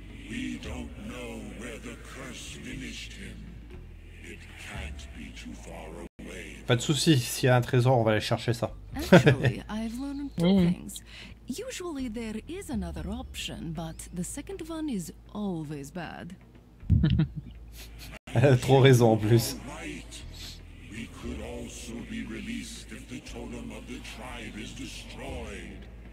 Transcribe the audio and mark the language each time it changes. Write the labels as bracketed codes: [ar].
[en] We don't know where the curse finished him. It can't be too far away. [fr] Pas de soucis, s'il y a un trésor, on va aller chercher ça. [en] Actually, I've learned two things. Usually there is another option, but the second one is always bad. [fr] Elle a trop raison en plus. [en] We could also be released if the totem of the tribe is destroyed.